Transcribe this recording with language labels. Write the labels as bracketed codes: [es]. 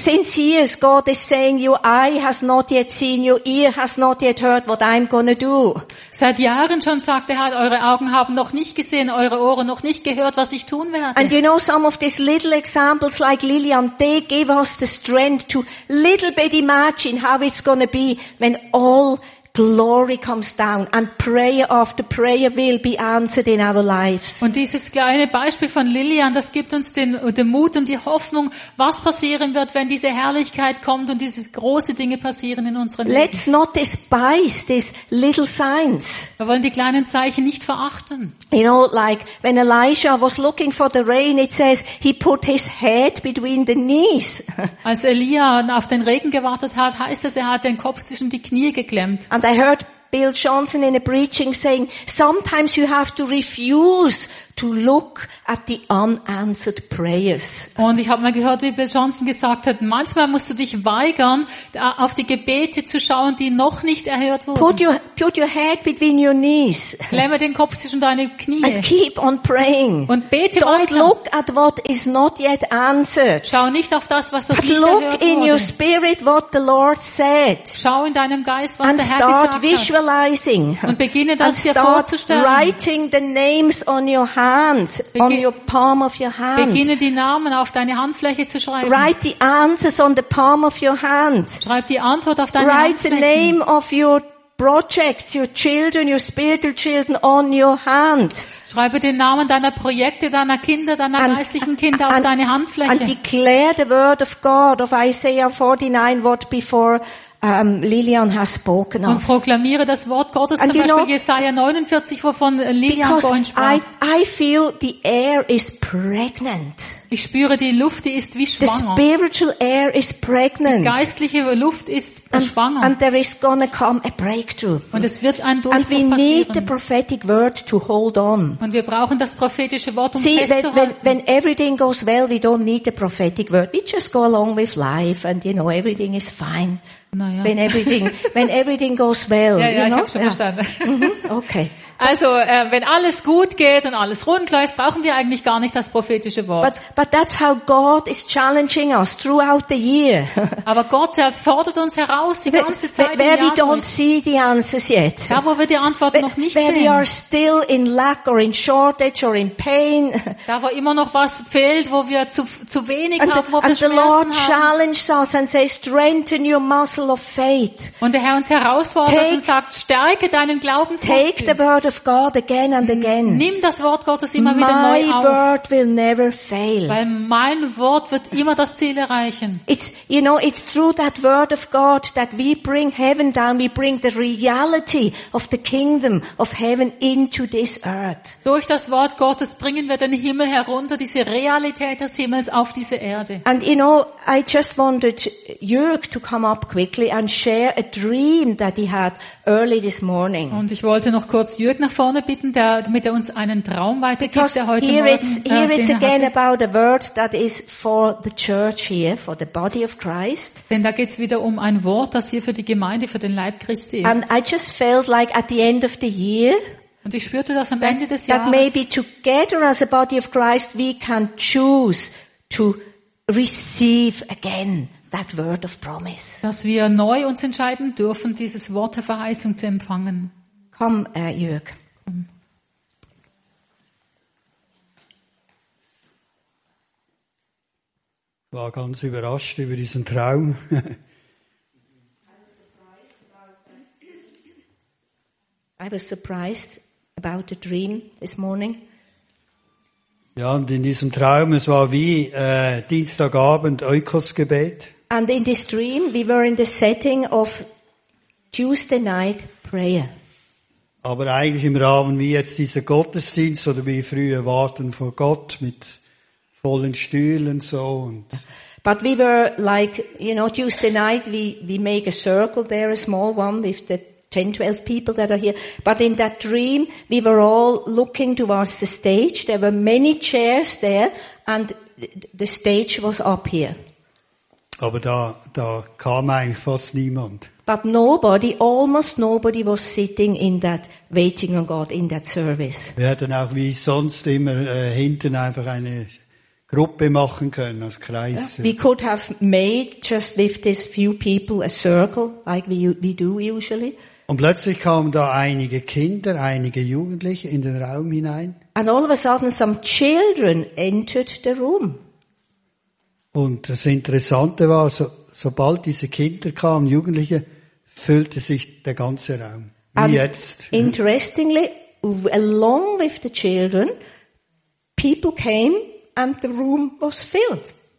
[en] Since years, God is saying, your eye has not yet seen, your ear has not yet heard what I'm gonna do. [de] Seit Jahren schon sagt der Herr, eure Augen haben noch nicht gesehen, eure Ohren noch nicht gehört, was ich tun werde. [en] And you know, some of these little examples like Lillian, they give us the strength to little bit imagine how it's gonna be when all glory comes down and prayer after prayer will be answered in our lives. [de] Und dieses kleine Beispiel von Lillian, das gibt uns den Mut und die Hoffnung, was passieren wird, wenn diese Herrlichkeit kommt und diese große Dinge passieren in unseren Leben. [en] Let's not despise these little signs. [de] Wir wollen die kleinen Zeichen nicht verachten. [en] You know, like when Elijah was looking for the rain, it says he put his head between the knees. [de] Als Elia auf den Regen gewartet hat, heißt es, er hat den Kopf zwischen die Knie geklemmt. [en] And I heard Bill Johnson in a preaching saying, sometimes you have to refuse to look at the unanswered prayers. [de] Und ich habe mal gehört, wie Bill Johnson gesagt hat, manchmal musst du dich weigern, auf die Gebete zu schauen, die noch nicht erhört wurden. [en] Put your head between your knees. [de] Klemme den Kopf zwischen deine Knie. [en] And keep on praying. [de] Und bete [en] Don't [de] weiter. [en] Look at what is not yet answered. [de] Schau nicht auf das, was noch nicht erhört [en] look in [de] wurde. [en] Your spirit what the Lord said. [de] Schau in deinem Geist, was der Herr gesagt hat. Und beginne das [en] and start [de] dir vorzustellen. [en] Writing the names on your hand, on your palm of your hand. [de] Beginne die Namen auf deine Handfläche zu schreiben. [en] Write the answers on the palm of your hand. [de] Schreib die Antwort auf deine [en] Write [de] Handfläche. [en] Write the name of your projects, your children, your spiritual children on your hand. [de] Schreibe den Namen deiner Projekte, deiner Kinder, deiner geistlichen Kinder auf deine Handfläche. [en] And declare the word of God of Isaiah 49, what before. Lillian has spoken of. [de] Und proklamiere das Wort Gottes [en] and [de] zum Beispiel Jesaja 49, wovon Lillian vorhin sprach. [en] I feel the air is pregnant. [de] Ich spüre die Luft, die ist wie schwanger. [en] The spiritual air is pregnant. [de] Die geistliche Luft ist schwanger. [en] And there is gonna come a breakthrough. [de] Und es wird ein Durchbruch passieren. passieren. [en] Need the prophetic word to hold on. [de] Und wir brauchen das prophetische Wort, um [en] See, [de] festzuhalten. [en] When everything goes well, we don't need the prophetic word. We just go along with life, and you know everything is fine. [de] Naja. [en] When everything goes well, [de] ja, Ich habe schon verstanden. [en] Mm-hmm. Okay. [de] Also, wenn alles gut geht und alles rund läuft, brauchen wir eigentlich gar nicht das prophetische Wort. [en] But that's how God is challenging us throughout the year. [de] Aber Gott fordert uns heraus die ganze Zeit im Jahr. [en] Where we don't see the answers yet. [de] Da, wo wir die Antworten noch nicht sehen. [en] Where we are still in lack or in shortage or in pain. [de] Da, wo immer noch was fehlt, wo wir zu wenig haben, wo wir Schmerzen haben. [en] And the Lord challenges us and says, strengthen your muscle of faith. [de] Und der Herr uns herausfordert und sagt, stärke deinen Glaubensmuskel. [en] Of God again and again. [de] Nimm das Wort Gottes immer wieder neu auf. [en] My word will never fail. [de] Weil mein Wort wird immer das Ziel erreichen. [en] It's, you know, it's through that word of God that we bring heaven down. We bring the reality of the kingdom of heaven into this earth. [de] Durch das Wort Gottes bringen wir den Himmel herunter, diese Realität des Himmels auf diese Erde. [en] And you know, I just wanted Jörg to come up quickly and share a dream that he had early this morning. [de] Und ich wollte noch kurz Jürg nach vorne bitten, damit er uns einen Traum weitergibt, der heute [en] here [de] Morgen [en] here it's again about a word that is for the church here, for the body of Christ. [de] Denn da geht's wieder um ein Wort, das hier für die Gemeinde, für den Leib Christi ist. [en] And I just felt like at the end of the year. [de] Und ich spürte das am Ende des Jahres. [en] That maybe together as a body of Christ we can choose to receive again. That word of promise. [de] Dass wir neu uns entscheiden dürfen, dieses Wort der Verheißung zu empfangen. Komm, Jörg. Ich war ganz überrascht über diesen Traum. [en] I was surprised about the dream this morning. [de] Ja, und in diesem Traum, es war wie Dienstagabend Eukosgebet. [en] And in this dream, we were in the setting of Tuesday night prayer. [de] Aber eigentlich im Rahmen wie jetzt dieser Gottesdienst oder wie früher warten vor Gott mit vollen Stühlen so und. [en] But we were like, you know, Tuesday night we make a circle there, a small one with the 10, 12 people that are here. But in that dream, we were all looking towards the stage. There were many chairs there and the stage was up here. [de] Aber da kam eigentlich fast niemand. [en] But nobody, almost nobody was sitting in that waiting on God, in that service. [de] Wir hätten auch wie sonst immer hinten einfach eine Gruppe machen können, als Kreis. [en] Yeah. We could have made just with these few people a circle, like we do usually. [de] Und plötzlich kamen da einige Kinder, einige Jugendliche in den Raum hinein. [en] And all of a sudden some children entered the room. [de] Und das Interessante war, sobald diese Kinder kamen, Jugendliche, füllte sich der ganze Raum. Wie [en] and [de] jetzt. [en] Interestingly, along with the children, people came and the room was filled.